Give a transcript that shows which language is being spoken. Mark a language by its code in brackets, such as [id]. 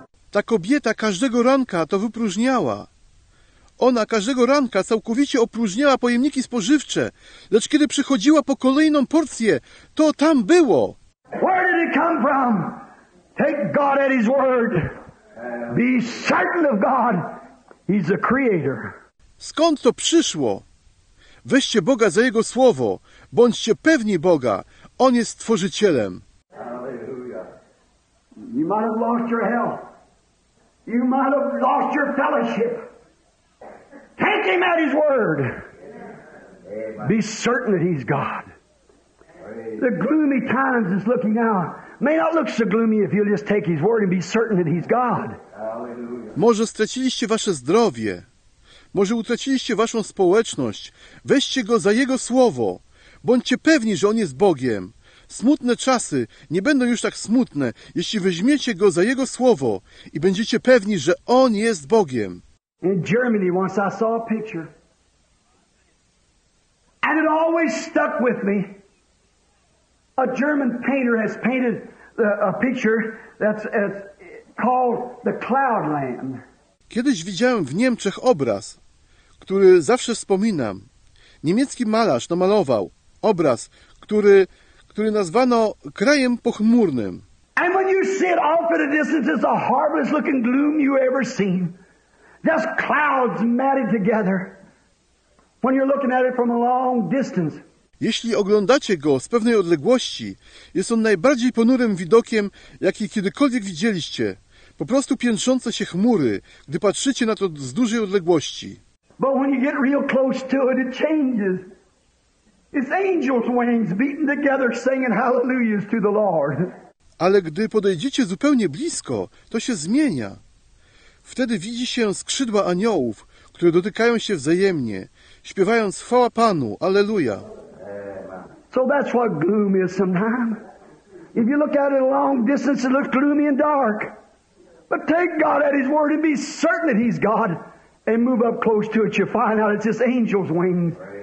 [pl] Ta kobieta każdego ranka to wypróżniała. Ona każdego ranka całkowicie opróżniała pojemniki spożywcze, lecz kiedy przychodziła po kolejną porcję, to tam było. [en] Where did it come from? Take God at His word. Be certain of God. He's the creator. [pl] Skąd to przyszło? Weźcie Boga za Jego słowo. Bądźcie pewni Boga. On jest Stworzycielem. [en] Hallelujah. You might have lost your health. You might have lost your fellowship. Take him at his word. Be certain that he's God. The gloomy times is looking out. May not look so gloomy if you'll just take his word and be certain that he's God. [pl] Może straciliście wasze zdrowie. Może utraciliście waszą społeczność. Weźcie go za jego słowo. Bądźcie pewni, że on jest Bogiem. Smutne czasy nie będą już tak smutne, jeśli weźmiecie go za jego słowo i będziecie pewni, że on jest Bogiem. [en] In Germany, once I saw a picture, and it always stuck with me. A German painter has painted a picture that's called the Cloud Land. [pl] Kiedyś widziałem w Niemczech obraz, który zawsze wspominam. Niemiecki malarz namalował obraz, który nazwano krajem pochmurnym. [en] And when you see it off at a distance, it's the harmless looking gloom you ever seen. Just clouds matted together. When you're looking at it from a long distance. [pl] Jeśli oglądacie go z pewnej odległości, jest on najbardziej ponurym widokiem, jaki kiedykolwiek widzieliście. Po prostu piętrzące się chmury, gdy patrzycie na to z dużej odległości. [en] But when you get real close to it, it changes. It's angels' wings beating together, singing hallelujahs to the Lord. [pl] Ale gdy podejdziecie zupełnie blisko, to się zmienia. Wtedy widzi się skrzydła aniołów, które dotykają się wzajemnie, śpiewając chwała Panu, alleluja. [en] So that's what gloom is sometimes. If you look at it a long distance, it looks gloomy and dark. But take God at His word and be certain that He's God, and move up close to it, you find out it's His angels' wings.